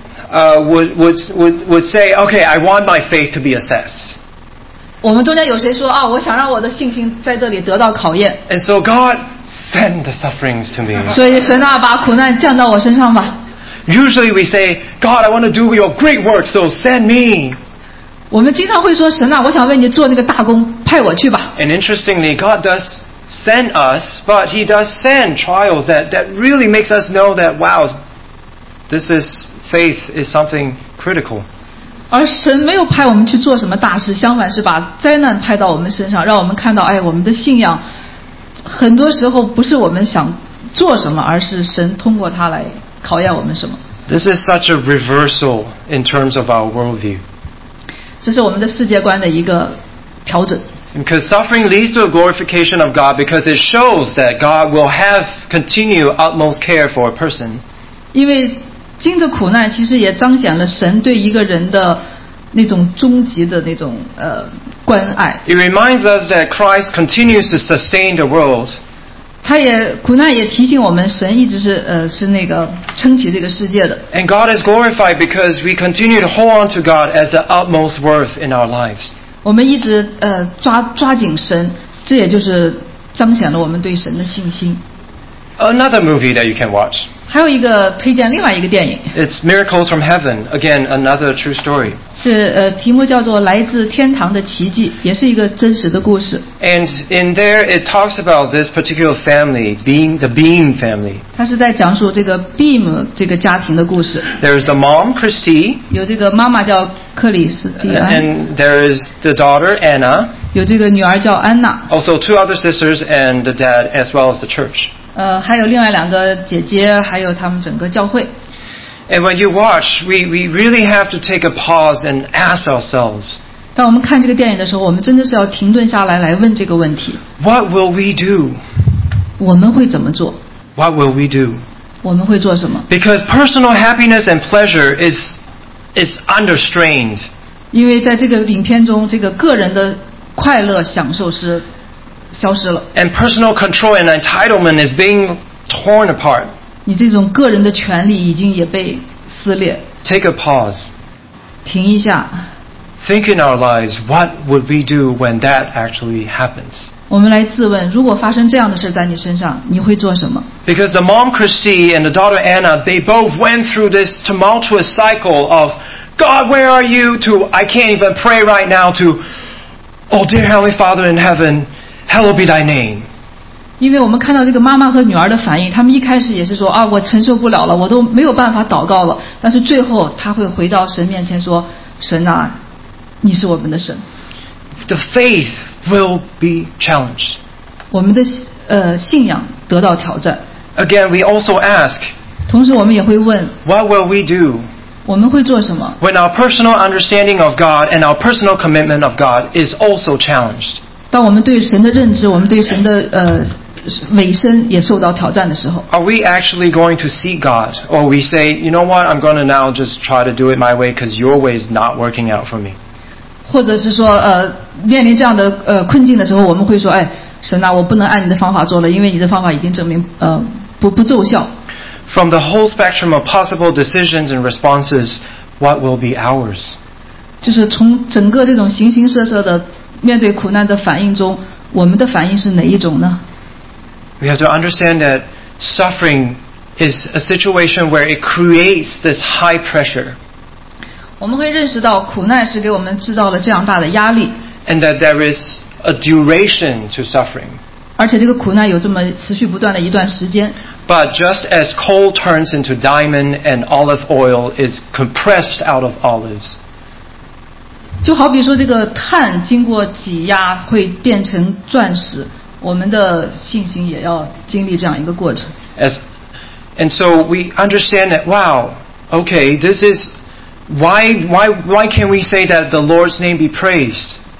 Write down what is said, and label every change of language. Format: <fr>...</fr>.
<en>would say, okay, I want my faith to be assessed.</en> <zh>我们中间有谁说啊，我想让我的信心在这里得到考验。</zh> <en>And so God send the sufferings to me.</en> <zh>所以神啊，把苦难降到我身上吧。</zh> <en>Usually we say, God, I want to do your great work, so send me.</en> <zh>我们经常会说，神啊，我想为你做那个大工，派我去吧。</zh> <en>And interestingly, God does. Send us, but he does send trials that really makes us know that wow, this is faith is something critical.</en> <zh>而神没有派我们去做什么大事，相反是把灾难派到我们身上，让我们看到，哎，我们的信仰很多时候不是我们想做什么，而是神通过它来考验我们什么。</zh> <en>This is such a reversal in terms of our worldview.</en> <zh>这是我们的世界观的一个调整。</zh> <en>Because suffering leads to a glorification of God because it shows that God will have continued utmost care for a person.</en> <zh>因为经着苦难其实也彰显了神对一个人的那种终极的那种关爱。</zh> <en>It reminds us that Christ continues to sustain the world.</en> <zh>他也苦难也提醒我们神一直是那个撑起这个世界的。</zh> <en>And God is glorified because we continue to hold on to God as the utmost worth in our lives.</en> <zh>我们一直抓紧神，这也就是彰显了我们对神的信心。</zh> <en>Another movie that you can watch.</en> <zh>还有一个推荐另外一个电影。</zh> <en>It's Miracles from Heaven, again another true story.</en> <zh>是题目叫做《来自天堂的奇迹》，也是一个真实的故事。</zh> <en>And in there, it talks about this particular family, being the Beam family.</en> <zh>它是在讲述这个 Beam 这个家庭的故事。</zh> <en>There's the mom, Christy.</en> <zh>有这个妈妈叫克里斯蒂安。</zh> <en>And there is the daughter, Anna.</en> <zh>有这个女儿叫安娜。</zh> <en>Also two other sisters and the dad, as well as the church.</en> <zh>还有另外两个姐姐，还有他们整个教会。</zh> <en>And when you watch, we really have to take a pause and ask ourselves.</en> <zh>当我们看这个电影的时候，我们真的是要停顿下来，来问这个问题。</zh> <en>What will we do?</en> <zh>我们会怎么做</zh> <en>？What will we do?</en> <zh>我们会做什么</zh> <en>？Because personal happiness and pleasure is is unrestrained.</en> <zh>因为在这个影片中，这个个人的快乐享受是消失了。</zh> <en>And personal control and entitlement is being torn apart.</en> <zh>你这种个人的权利已经也被撕裂。</zh> <en>Take a pause.</en> <zh>停一下。</zh> <en>Think in our lives, what would we do when that actually happens?</en> <zh>我们来自问，如果发生这样的事在你身上，你会做什么？</zh> <en>Because the mom Christy and the daughter Anna, they both went through this tumultuous cycle of God, where are you? To I can't even pray right now. To Oh dear Heavenly Father in heaven, hallowed be Thy name.</en> <zh>因为我们看到这个妈妈和女儿的反应，他们一开始也是说啊，我承受不了了，我都没有办法祷告了。但是最后，他会回到神面前说，神啊。你是我们的神。</zh> <en>The faith will be challenged.</en> <zh>我们的信仰得到挑战。</zh> <en>Again, we also ask.</en> <zh>同时我们也会问。</zh> <en>What will we do?</en> <zh>我们会做什么？</zh> <en>When our personal understanding of God and our personal commitment of God is also challenged.</en> <zh>当我们对神的认知，我们对神的委身也受到挑战的时候。</zh> <en>Are we actually going to see God? Or we say, you know what, I'm going to now just try to do it my way because your way is not working out for me.</en> <zh>或者是说面临这样的困境的时候，我们会说，哎，神啊，我不能按你的方法做了，因为你的方法已经证明不奏效。</zh> <en>From the whole spectrum of possible decisions and responses, what will be ours?</en> <zh>就是从整个这种形形色色的面对苦难的反应中，我们的反应是哪一种呢？</zh> <en>We have to understand that suffering is a situation where it creates this high pressure.</en> <zh>我们会认识到苦难是给我们制造了这样大的压力。</zh> <en>And that there is a duration to suffering.</en> <zh>而且这个苦难有这么持续不断的一段时间。</zh> <en>But just as coal turns into diamond and olive oil is compressed out of olives.</en> <zh>就好比说这个碳经过挤压会变成钻石，我们的信心也要经历这样一个过程。</zh> <en>And so we understand that, wow, okay, this is... Why can we say that the Lord's name be praised?</en>